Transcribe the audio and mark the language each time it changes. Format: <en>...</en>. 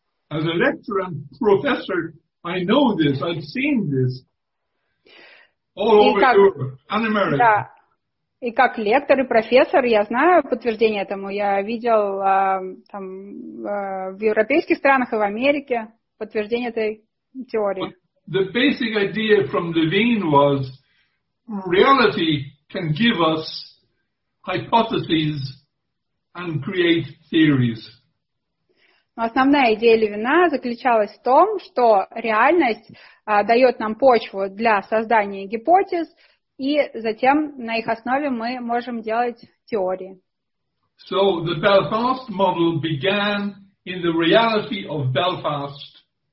<en>As a lecturer and professor, I know this, I've seen this all over Europe and America.</en> <ru>Да. И как лектор и профессор, я знаю подтверждение этому. Я видел там в европейских странах и в Америке подтверждение этой теории.</ru> <en>The basic idea from Levine was reality can give us hypotheses and create theories.</en> <ru>Основная идея Левина заключалась в том, что реальность дает нам почву для создания гипотез, и затем на их основе мы можем делать теории.</ru> <en>So the Belfast model began in the reality of Belfast.</en>